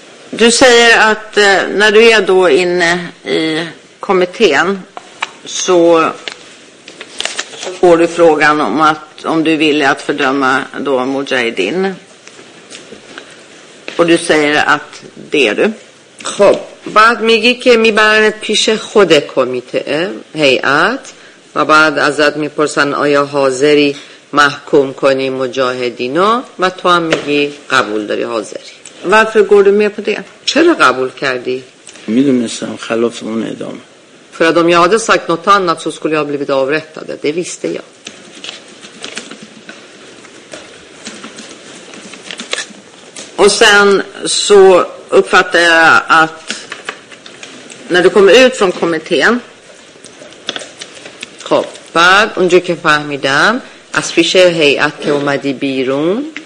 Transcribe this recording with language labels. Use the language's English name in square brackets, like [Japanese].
[Swedish] Du säger att när du är då inne i kommittén så får du frågan om att om du vill att fördöma då Mujahedin. Och du säger att det är du. [Persian] خب بعد میگی که میبرنت پیش خود کمیته هیئت و بعد ازت میپرسن آیا حاضری محکوم کنی مجاهدینا و تو هم میگی قبول داری حاضری. [Swedish] Varför går du med på det? [Persian] چرا قبول کردی؟ میدونستم خلاف اون اعدام. [Swedish] För att om jag hade sagt något annat så skulle jag blivit avrättad. Det visste jag. Och sen så uppfattar jag att när du kommer ut från kommittén. [Persian] خب بعد اونجایی که فهمیدم از پیش هیئت که اومدی بیرون.